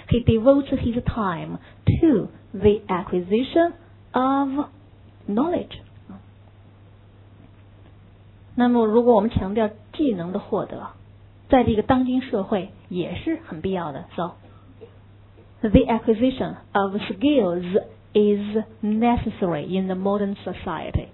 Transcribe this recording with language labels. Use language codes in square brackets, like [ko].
[en] He devotes his time to the acquisition of knowledge。 [zh] 那么如果我们强调技能的获得，在这个当今社会也是很必要的。 [en] So the acquisition of skills is necessary in the modern society.